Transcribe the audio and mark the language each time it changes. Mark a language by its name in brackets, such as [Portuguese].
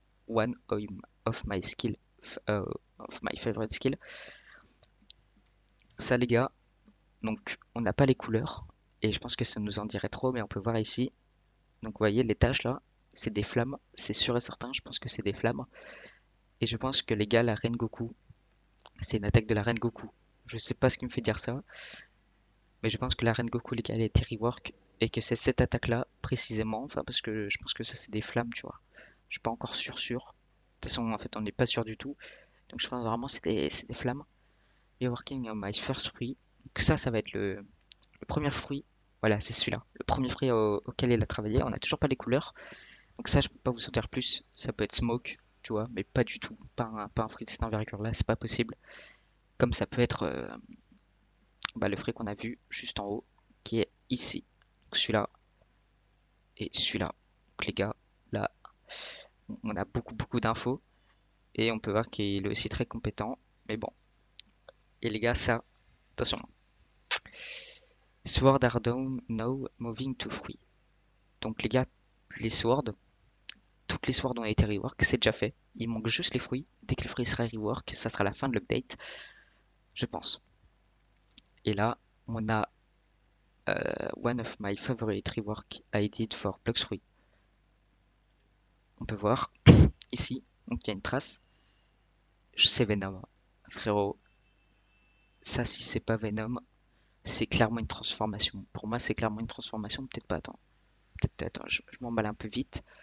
[English] One of my skill, of my favorite skill. [French] Ça, les gars, donc on n'a pas les couleurs. Et je pense que ça nous en dirait trop, mais on peut voir ici. Donc, vous voyez, les taches là, c'est des flammes. C'est sûr et certain, je pense que c'est des flammes. Et je pense que les gars, la Reine Goku, c'est une attaque de la Reine Goku. Je sais pas ce qui me fait dire ça. Mais je pense que la Reine Goku, les gars, elle a été rework. Et que c'est cette attaque-là, précisément. Enfin, parce que je pense que ça, c'est des flammes, tu vois. Je suis pas encore sûr. De toute façon, en fait, on n'est pas sûr du tout. Donc, je pense vraiment que c'est des flammes. [English] Reworking my first fruit. [French] Donc, ça va être le premier fruit. Voilà, c'est celui-là. Le premier fruit auquel elle a travaillé. On n'a toujours pas les couleurs. Donc, ça, je peux pas vous en dire plus. Ça peut être Smoke. Tu vois, mais pas du tout, pas un fruit de cette envergure là, c'est pas possible. Comme ça peut être le fruit qu'on a vu juste en haut, qui est ici, celui-là et celui-là. Donc les gars, là, on a beaucoup beaucoup d'infos et on peut voir qu'il est aussi très compétent. Mais bon, et les gars, ça, attention, [English] Sword are down now, moving to fruit. [French] Donc les gars, les swords. Toutes les swords ont été rework, c'est déjà fait. Il manque juste les fruits. Dès que le fruit sera rework, ça sera la fin de l'update. Je pense. Et là, on a [English] one of my favorite rework I did for Block 3. [French] On peut voir ici, donc il y a une trace. C'est Venom. Frérot, ça, si c'est pas Venom, c'est clairement une transformation. Pour moi, c'est clairement une transformation. Peut-être pas, attends. Peut-être, attends, je m'emballe un peu vite.